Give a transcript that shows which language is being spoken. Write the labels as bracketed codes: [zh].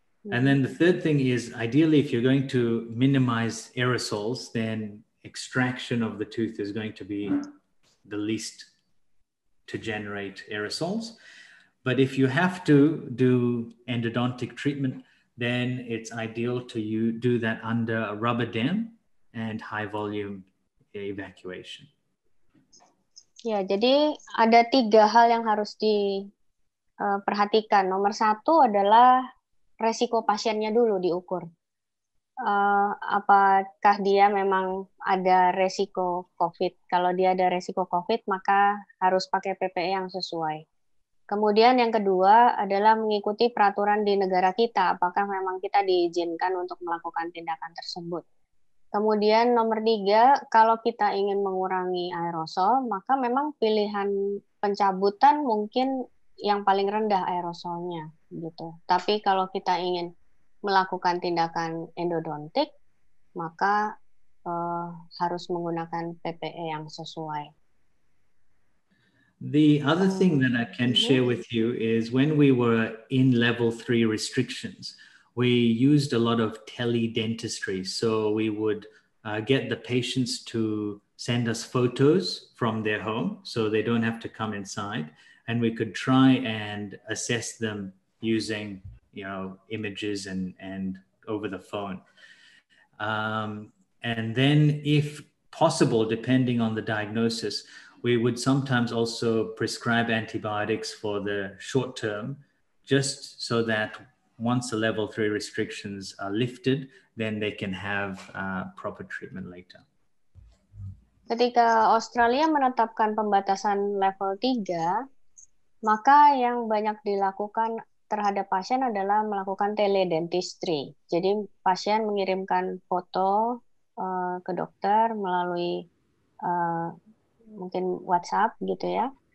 [en] And then the third thing is, ideally, if you're going to minimize aerosols, then extraction of the tooth is going to be the least to generate aerosols. But if you have to do endodontic treatment, then it's ideal to you do that under a rubber dam and high volume evacuation. [id] Ya, jadi ada tiga hal yang harus diperhatikan. Nomor satu adalah resiko pasiennya dulu diukur. Apakah dia memang ada resiko COVID? Kalau dia ada resiko COVID, maka harus pakai PPE yang sesuai. Kemudian yang kedua adalah mengikuti peraturan di negara kita, apakah memang kita diizinkan untuk melakukan tindakan tersebut. Kemudian nomor tiga, kalau kita ingin mengurangi aerosol, maka memang pilihan pencabutan mungkin yang paling rendah aerosolnya, gitu. Tapi kalau kita ingin melakukan tindakan endodontik, maka harus menggunakan PPE yang sesuai. [en] The other thing that I can share with you is when we were in level 3 restrictions, we used a lot of teledentistry. So we would get the patients to send us photos from their home so they don't have to come inside. And we could try and assess them using, you know, images and over the phone. And then if possible, depending on the diagnosis, we would sometimes also prescribe antibiotics for the short term, just so that once the level 3 restrictions are lifted, then they can have proper treatment later. [id] Ketika Australia menetapkan pembatasan level 3, maka yang banyak dilakukan terhadap pasien adalah melakukan teledentistry. Jadi pasien mengirimkan foto ke dokter melalui mungkin WhatsApp gitu ya.